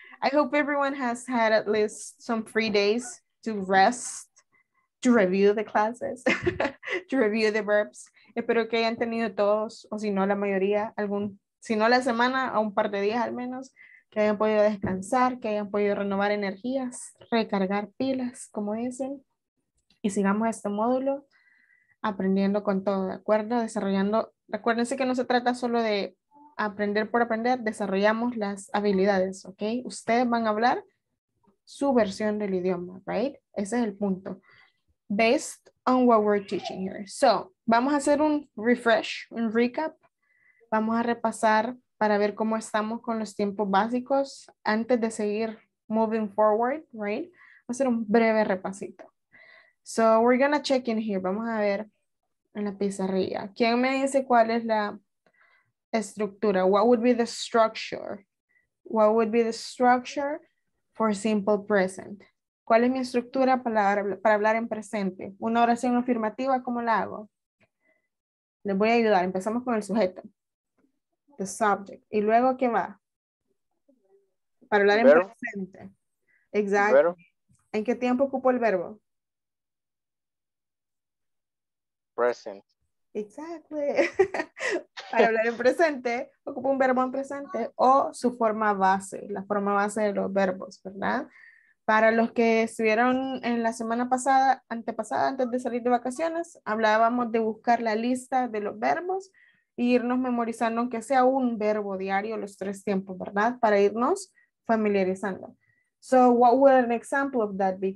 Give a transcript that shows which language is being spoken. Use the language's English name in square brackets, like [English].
[English] I hope everyone has had at least some free days to rest, to review the classes, to review the verbs. [Spanish] Espero que hayan tenido todos, o si no la mayoría, si no la semana, a un par de días al menos, que hayan podido descansar, que hayan podido renovar energías, recargar pilas, como dicen. Y sigamos este módulo aprendiendo con todo, ¿de acuerdo? Desarrollando, recuérdense que no se trata solo de aprender por aprender, desarrollamos las habilidades, ¿ok? Ustedes van a hablar su versión del idioma, ¿right? Ese es el punto. [English] Based on what we're teaching here. So, [Spanish] vamos a hacer un refresh, un recap. Vamos a repasar para ver cómo estamos con los tiempos básicos antes de seguir [English] moving forward, [Spanish] ¿right? Vamos a hacer un breve repasito. [English] So, we're gonna check in here. [Spanish] Vamos a ver en la pizarrilla. ¿Quién me dice cuál es la estructura? [English] What would be the structure? What would be the structure for simple present? [Spanish] ¿Cuál es mi estructura para hablar en presente? ¿Una oración afirmativa cómo la hago? Les voy a ayudar. Empezamos con el sujeto. [English] The subject. [Spanish] ¿Y luego qué va? Para hablar en presente. Exacto. ¿En qué tiempo ocupo el verbo? [English] Present. Exactly. [Spanish] Para hablar en presente, ocupo un verbo en presente o su forma base, la forma base de los verbos, ¿verdad? Para los que estuvieron en la semana pasada, antepasada, antes de salir de vacaciones, hablábamos de buscar la lista de los verbos e irnos memorizando, aunque sea un verbo diario, los tres tiempos, ¿verdad? Para irnos familiarizando. [English] So, what would an example of that be?